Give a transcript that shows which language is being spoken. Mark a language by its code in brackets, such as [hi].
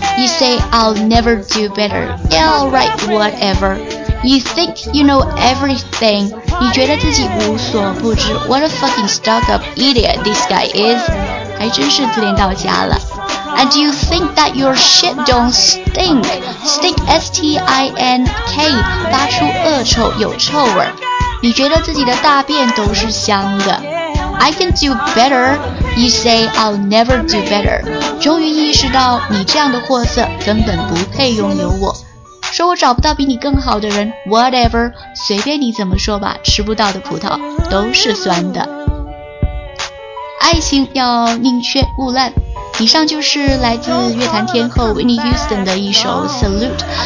[en] You say I'll never do better. Yeah, all right, whatever. You think you know everything. [zh] 你觉得自己无所不知。 [en] What a fucking stuck-up idiot this guy is. [zh] 还真是自恋到家了。 [en] And you think that your shit don't stink? [zh] Stink, S-T-I-N-K, 发出恶臭，有臭味。你觉得自己的大便都是香的。 [en] I can do better, you say I'll never do better. [zh] 终于意识到你这样的货色根本不配拥有我。说我找不到比你更好的人， whatever, 随便你怎么说吧，吃不到的葡萄都是酸的。爱情要宁缺毋滥。以上就是来自乐坛天后 Whitney Houston 的一首 Salute。